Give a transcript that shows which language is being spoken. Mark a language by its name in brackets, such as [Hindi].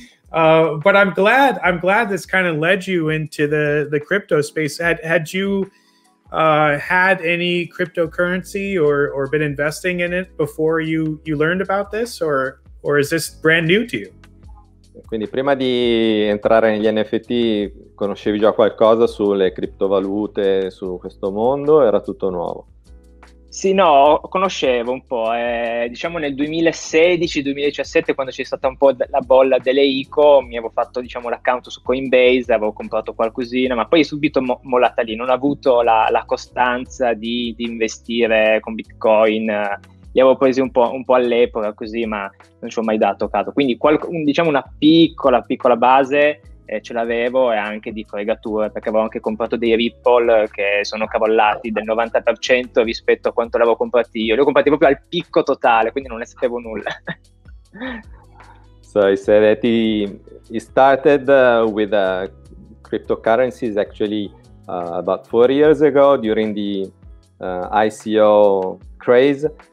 [English] but I'm glad this kind of led you into the crypto space. Had you had any cryptocurrency or been investing in it before you learned about this, or is this brand new to you? [Italian] Quindi prima di entrare negli NFT conoscevi già qualcosa sulle criptovalute, su questo mondo? Era tutto nuovo? Sì, no, conoscevo un po'. Diciamo nel 2016-2017, quando c'è stata un po' la bolla delle ICO, mi avevo fatto, diciamo, l'account su Coinbase, avevo comprato qualcosina, ma poi è subito mollata lì. Non ho avuto la costanza di investire con Bitcoin. Li avevo presi un po' all'epoca così, ma non ci ho mai dato caso. Quindi diciamo una piccola base ce l'avevo, e anche di fregature, perché avevo anche comprato dei Ripple che sono cavallati del 90% rispetto a quanto l'avevo comprati io. Li ho comprati proprio al picco totale, quindi non ne sapevo nulla. [English] So he said that he started with cryptocurrencies actually about 4 years ago during the ICO craze.